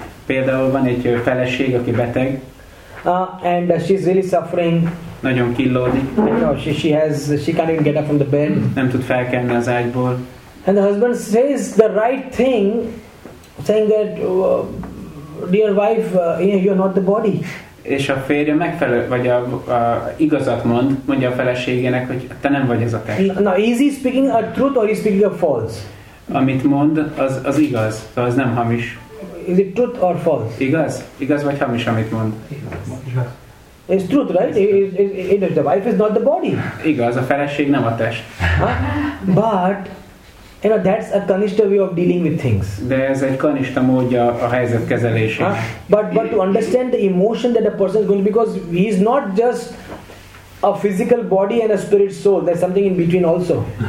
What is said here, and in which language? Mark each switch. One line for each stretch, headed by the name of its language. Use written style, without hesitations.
Hungarian: Például van egy feleség, aki beteg.
English: And she's really suffering.
Hungarian: Nagyon killódik.
English: You know, she can't even get up from the bed.
Hungarian: Nem tud felkelni az ágyból.
English: And the husband says the right thing, saying that, dear wife, you're not the body.
Hungarian: És a férje megfelelő, vagy a igazat mond, mondja a feleségének, hogy te nem vagy ez a test.
English: Now, is he speaking a truth or is he speaking a false?
Hungarian: Amit mond, az igaz, szóval az nem hamis.
English: Is it truth or false?
Hungarian: Igaz? Igaz vagy hamis, amit mond?
English: It's truth, right? It is the wife is not the body.
Hungarian: Igaz, a feleség nem a test.
English: But, you know, that's a kanista way of dealing with things.
Hungarian: De ez egy kanista módja a helyzet kezelésének.
English: But to understand the emotion that a person is going to, because he is not just a physical body and a spirit soul, there's something in between also.